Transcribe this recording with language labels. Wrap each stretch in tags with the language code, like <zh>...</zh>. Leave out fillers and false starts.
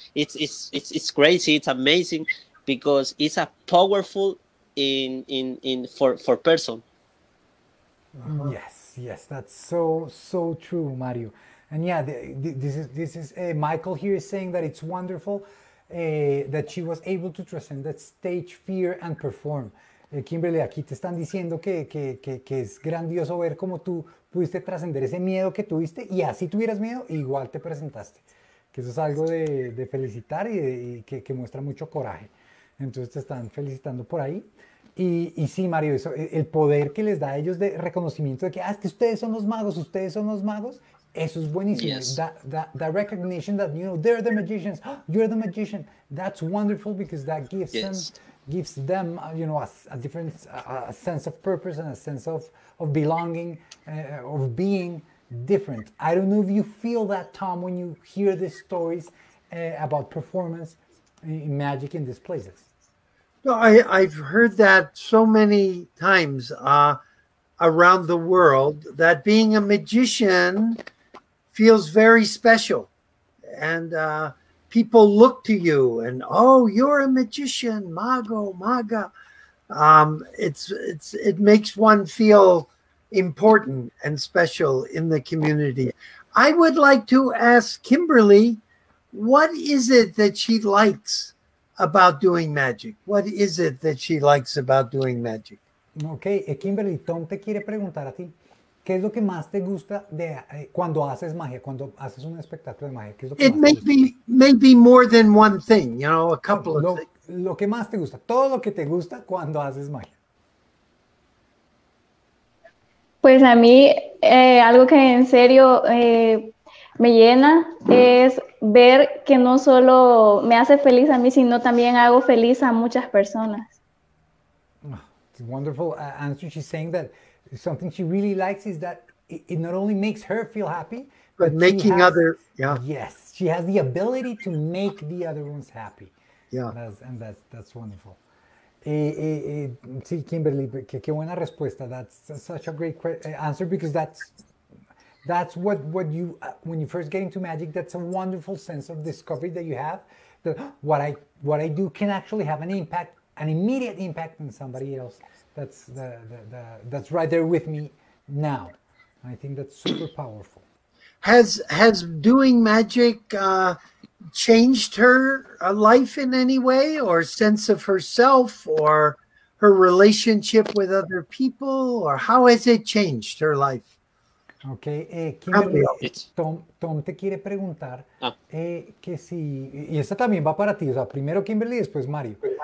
<en>It's crazy. It's amazing because it's a powerful in for person. Yes, that's so true, Mario. And yeah, this is Michael here is saying that it's wonderful that she was able to transcend that stage fear and perform.</en> <es>Kimberly, aquí te están diciendo que es grandioso ver cómo tú pudiste trascender ese miedo que tuviste y así tuvieras miedo, igual te presentaste. Que eso es algo de felicitar y que muestra mucho coraje. Entonces te están felicitando por ahí. Y sí, Mario, eso, el poder que les da a ellos de reconocimiento de que, es que ustedes son los magos, eso es buenísimo.</es> <en>Yes. The recognition that, you know, they're the magicians, you're the magician, that's wonderful because that gives them... Gives them, you know, a different a sense of purpose and a sense of belonging, of being different. I don't know if you feel that, Tom, when you hear these stories about performance in magic in these places. No, I've heard that so many times around the world, that being a magician feels very special. And people look to you and, oh, you're a magician, mago, maga. It makes one feel important and special in the community. I would like to ask Kimberly, what is it that she likes about doing magic? What is it that she likes about doing magic?</en> <es>Okay, Kimberly, Tom te quiere preguntar a ti, ¿qué es lo que más te gusta de cuando haces magia, cuando haces un espectáculo de magia? ¿Qué es lo que</es> <en>it</en> <es>más</es> <en>may be more than one thing, you know, a couple of things.</en> <es>Lo que más te gusta, todo lo que te gusta cuando haces magia. Pues a mí, algo que en serio me llena es ver que no solo me hace feliz a mí, sino también hago feliz a muchas personas.</es> <en>Oh, it's a wonderful answer. She's saying that something she really likes is that it not only makes her feel happy, but making others, yeah. Yes, she has the ability to make the other ones happy. Yeah. That's wonderful. See, Kimberly,</en> <es>qué buena respuesta.</es> <en>That's such a great answer because that's what you, when you first get into magic, that's a wonderful sense of discovery that you have. That what I do can actually have an immediate impact on somebody else. That's that's right there with me now. I think that's super powerful. Has doing magic changed her life in any way, or sense of herself, or her relationship with other people, or how has it changed her life?</en> <es>Okay, Kimberly, Tom te quiere preguntar que si, y esta también va para ti, o sea, primero Kimberly, después Mario.</es>